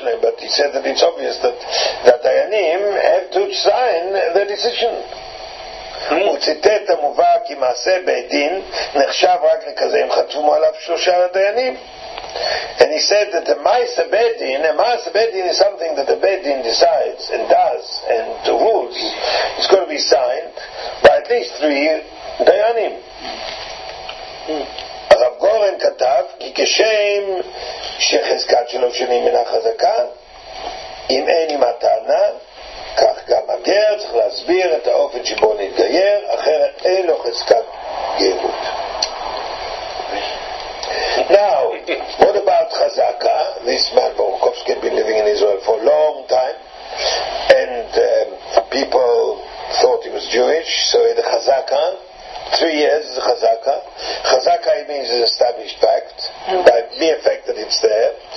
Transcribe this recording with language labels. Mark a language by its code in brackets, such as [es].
[en] But he said that it's obvious that dayanim have to sign the decision. [he] וציטט המובא כי מעשה בית דין נחשב רק לכזה אם חתומו עליו שלושה הדיינים. [en] And he said that the ma'aseh beit din, a ma'aseh beit din is something that the beit din decides and does and rules, it's going to be signed by at least three dayanim. [he] רב גורן כתב כי כשם שחזקת שלוש שנים מן החזקה, אם אין עם הטענה, כך גם הגר צריך להסביר את האופן שבו נתגייר, אחרת אין לו חזקת גרות. [en] Now, what about Chazaka? This man Borkowski had been living in Israel for a long time, and people thought he was Jewish, so he had a Chazaka. 3 years is a Chazaka. Chazaka means an established fact, by mere fact that it's there.